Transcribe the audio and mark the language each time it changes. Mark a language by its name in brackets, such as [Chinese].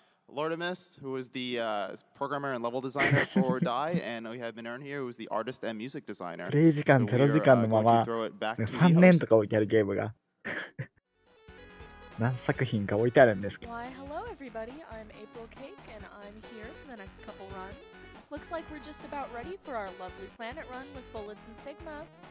[English] Lordimus, who is the programmer and level designer for Die, and we have Minern here, who is the artist and music designer. [Japanese] プレイ時間ゼロ時間のまま、三年とか置いてあるゲームが、何作品か置いてあるんですけど。 [English] Why, hello everybody. I'm April Cake, and I'm here for the next couple runs. Looks like we're just about ready for our lovely planet run with Bullets and Sigma.